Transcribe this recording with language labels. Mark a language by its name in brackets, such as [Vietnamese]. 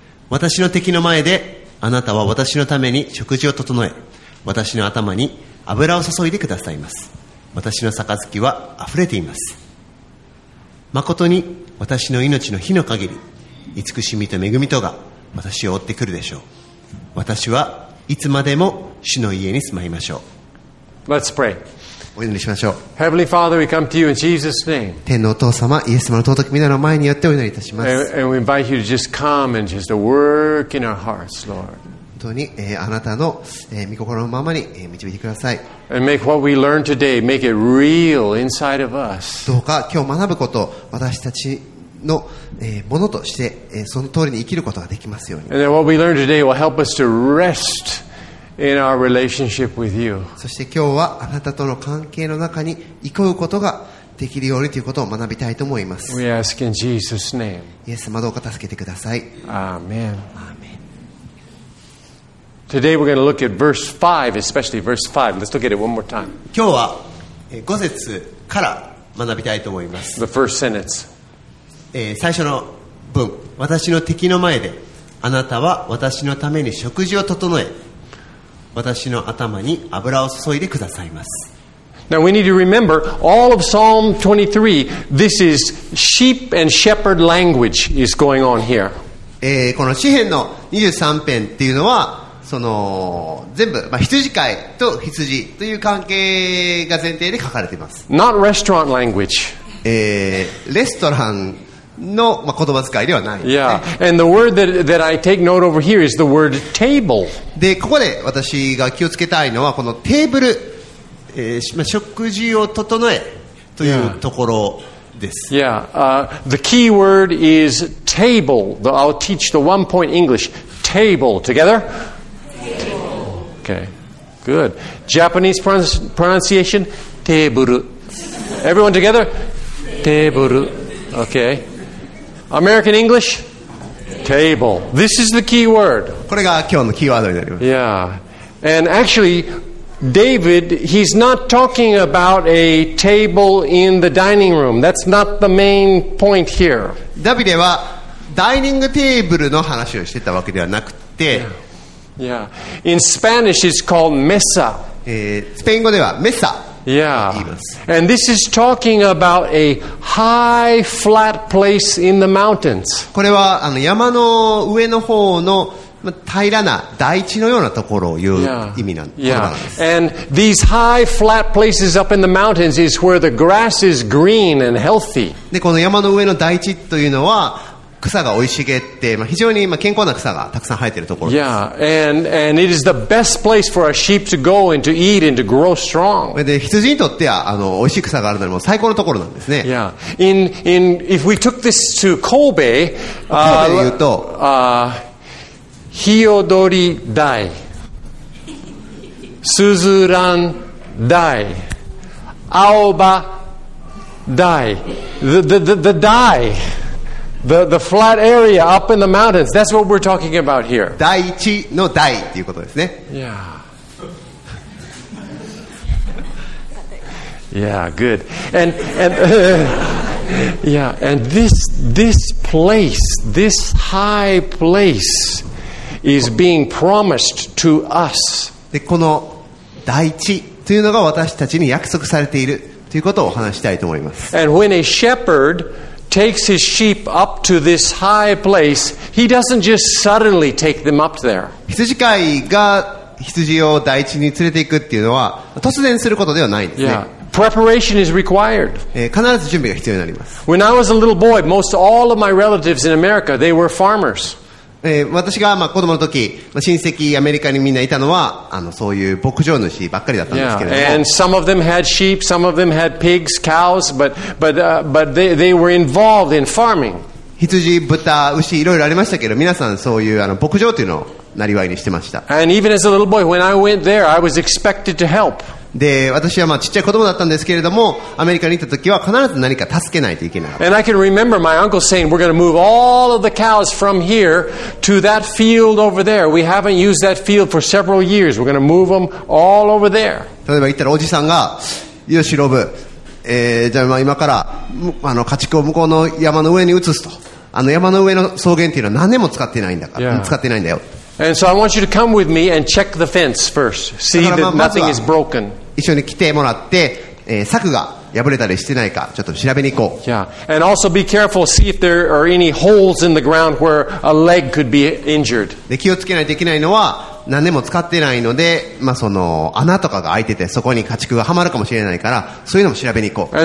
[Japanese] 私の敵の前であなたは私のために食事を整え、私の頭に油を注いでくださいます。私の杯は溢れています。まことに私の命の日の限り、慈しみと恵みとが私を追ってくるでしょう。私はいつまでも主の家に住まいましょう。 [English] Let's pray. [Japanese] お祈りしましょう。 [English] Heavenly Father, we come to you in Jesus' name. [Japanese] 天のお父様、イエス様の尊き皆の前によってお祈りいたします。 [English] And we invite you to just come and just work in our hearts, Lord. [Japanese] 本当にあなたの御心のままに導いてください。 [English] And make what we learn today, make it real inside of us. [Japanese] どうか今日学ぶこと、私たちのものとしてその通りに生きることができますように。 [English] And then what we learn today will help us to rest in our relationship with you. [Japanese] そして今日はあなたとの関係の中に生きることができるようにということを学びたいと思います。 [English] We ask in Jesus' name. [Japanese] イエス様、どうか助けてください。 [English] Amen. Today we're going to look at verse 5, especially verse 5. Let's look at it one more time. [Japanese] 今日は5節から学びたいと思います。 [English] The first sentence. [Japanese] 最初の文、私の敵の前であなたは私のために食事を整え、私の頭に油を注いでくださいます。 [English] Now we need to remember, all of Psalm 23, this is sheep and shepherd language is going on here. [Japanese] この詩篇の23篇っていうのは、その全部、まあ、羊飼いと羊という関係が前提で書かれています。 [English] Not restaurant language. [Japanese] レストランの、まあ、言葉遣いではない、ね。 [English] Yeah. And the word that I take note over here is the word table. [Japanese] で、ここで私が気をつけたいのはこのテーブル、食事を整えというところです。 [English] Yeah. The key word is table. I'll teach the one point English. Table together. Okay, good. Japanese pronunciation, teburu. Everyone together? Teburu. Okay. American English? Table. This is the key word. [Japanese] これが今日のキーワードになります。 [English] Yeah. And actually, David, he's not talking about a table in the dining room. That's not the main point here. [Japanese] ダビデはダイニングテーブルの話をしてたわけではなくて、 [English] Yeah. In Spanish, it's called mesa. [Japanese] スペイン語ではメサ。 [English] Yeah. And this is talking about a high, flat place in the mountains. [Japanese] これはあの山の上の方の平らな大地のようなところを言う意味なんです。 [English] Yeah. Yeah. And these high, flat places up in the mountains is where the grass is green and healthy. [Japanese] で、この山の上の大地というのは草が生い茂って、まあ、非常に健康な草がたくさん生えているところです。 [English] Yeah, and it is the best place for our sheep to go and to eat and to grow strong. [Japanese] で、羊にとってはあの美味しい草があるのでも最高のところなんですね。 [English] Yeah, in if we took this to Kobe, [Japanese] で言うと、 [English] Hiyodori Dai, Suzuran Dai, Aoba Dai, the Dai. The flat area up in the mountains. That's what we're talking about here. [Japanese] 第一の第っていうことですね。 [English] Yeah. Yeah. Good. Yeah. And this place, this high place, is being promised to us. [Japanese] で、この第一というのが私たちに約束されているということをお話したいと思います。 [English] And when a shepherd takes his sheep up to this high place, he doesn't just suddenly take them up there. [Japanese] 羊飼いが羊を大地に連れていくっていうのは突然することではないんですね。 [English] Yeah. Preparation is required. [Japanese] 必ず準備が必要になります。 [English] When I was a little boy, most all of my relatives in America, they were farmers. [Japanese] 私がまあ子供の時、親戚アメリカにみんないたのはあのそういう牧場主ばっかりだったんですけれども。 [English] Yeah. And some of them had sheep, some of them had pigs, cows, but they were involved in farming. [Japanese] 羊、豚、牛いろいろありましたけど、皆さんそういうあの牧場というのをなりわいにしてました。 [English] And even as a little boy, when I went there, I was expected to help. [Japanese] で私はまあちっちゃい子供だったんですけれどもアメリカに行った時は必ず何か助けないといけない。 [English] And I can remember my uncle saying we're going to move all of the cows from here to that field over there. We haven't used that field for several years. We're going to move them all over there. [Japanese] 例えば言ったらおじさんがよしロブ、じゃあ今からあの家畜を向こうの山の上に移すと。あの山の上の草原っていうのは何年も使ってないんだから、 [English] yeah. [Japanese] 使ってないんだよ。 [English] And so I want you to come with me and check the fence first. See that nothing is broken. [Japanese] 一緒に来てもらって、柵が破れたりしてないかちょっと調べに行こう。 [English] Yeah. And also be careful. See if there are any holes in the ground where a leg could be injured. [Japanese] で、気をつけないといけないのは何年も使ってないので、まあ、その穴とかが開いててそこに家畜がはまるかもしれないからそういうのも調べに行こう。